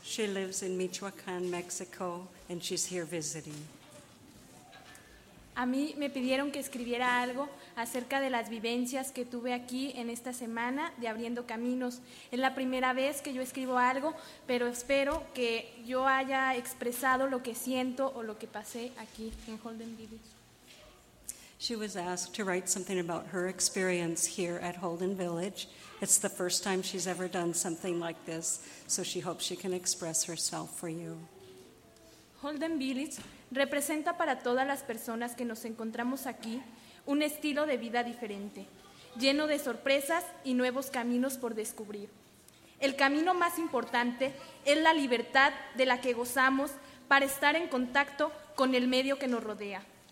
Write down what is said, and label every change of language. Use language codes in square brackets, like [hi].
[en] She lives in Michoacán, Mexico, and she's here visiting. [es] A mí me pidieron que escribiera algo acerca de las vivencias que tuve aquí en esta semana de Abriendo Caminos. Es la primera vez que yo escribo algo, pero espero que yo haya expresado lo que siento o lo que pasé aquí en Holden Village. [en] She was asked to write something about her experience here at Holden Village. It's the first time she's ever done something like this, so she hopes she can express herself for you. [es] Holden Village representa para todas las personas que nos encontramos aquí un estilo de vida diferente, lleno de sorpresas y nuevos caminos por descubrir. El camino más importante es la libertad de la que gozamos para estar en contacto con el medio que nos rodea.